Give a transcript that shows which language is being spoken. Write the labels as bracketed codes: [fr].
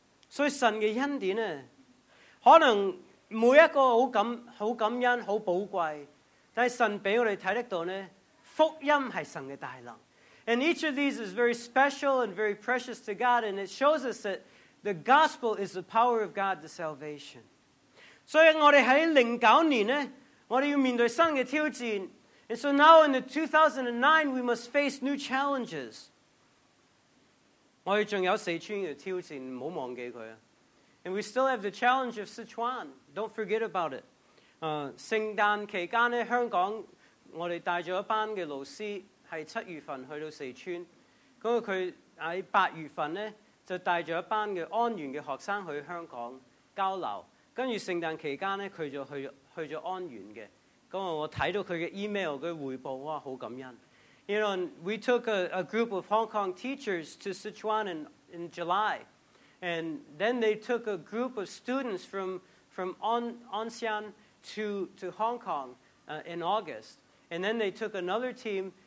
[yue] 所以神嘅恩典啊，可能每一個好感恩、好寶貴，但係神俾我哋睇得到咧，福音係神嘅大能。 [en] And each of these is very special and very precious to God, and it shows us that the gospel is the power of God to salvation. So, in 2009, and so now in the 2009, we must face new challenges. [yue] 我哋仲有四川嘅挑戰，唔好忘記佢啊！ [en] And we still have the challenge of Sichuan. Don't forget about it. [yue] 聖誕期間咧，香港我哋帶咗一班嘅老師。是七月份去到四川，嗰個佢喺八月份咧就帶咗一班嘅安源嘅學生去香港交流，跟住聖誕期間咧佢就去咗安源嘅。咁我睇到佢嘅 email 嘅回報，哇，好感恩。 [en] You know, we took a group of Hong Kong teachers to Sichuan in July, and then they took a group of students from Anxian to Hong Kong in August, and then they took another team.